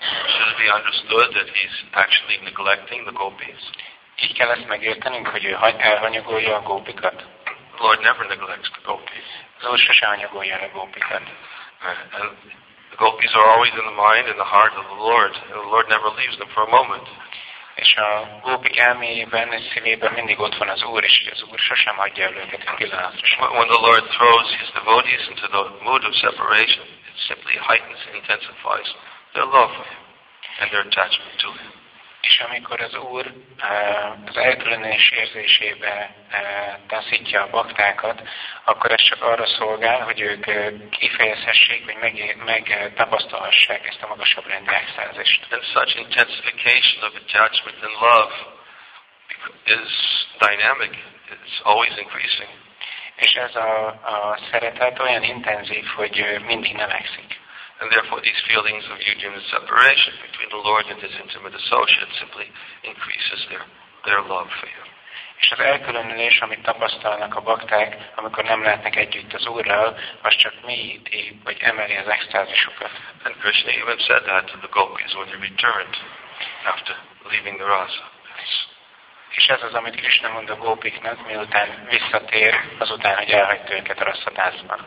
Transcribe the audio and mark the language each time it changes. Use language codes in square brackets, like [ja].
[en] Should it be understood that he's actually neglecting the gopis? [hu] Így kell ezt megértenünk, hogy ő elhanyagolja a gópikat? [en] The Lord never neglects the gopis. [hu] Az Úr sose hanyagolja a gópikat. [en] And the gopis are always in the mind and the heart of the Lord. And the Lord never leaves them for a moment. [hu] És a gópik elméjében és szívében mindig ott van az Úr, és az Úr sosem adja el őket egy pillanatot. [en] When the Lord throws his devotees into the mood of separation, it simply heightens and intensifies their love for him and their attachment to him. [hu] És amikor az Úr az elkülönés érzésébe taszítja a baktákat, akkor ez csak arra szolgál, hogy ők kifejezhessék, vagy megtapasztalhassák ezt a magasabb rendű extázist. [en] And such intensification of attachment and love is dynamic, it's always increasing. [hu] És ez a szeretet olyan intenzív, hogy mindig növekszik. [en] And therefore these feelings of union and separation between the Lord and his intimate associates simply increases their love for him. [hu] És az elkülönülés, amit tapasztalnak a bakták, amikor nem lehetnek együtt az Úrral, az csak mélyíti, vagy emeli az extázisukat. [en] And Krishna even said that to the gopis when he returned after leaving the rasa. [hu] És ez az, amit Krishna mond a gópiknak, miután visszatér, azután, hogy elhagyta őket a rasszatászban.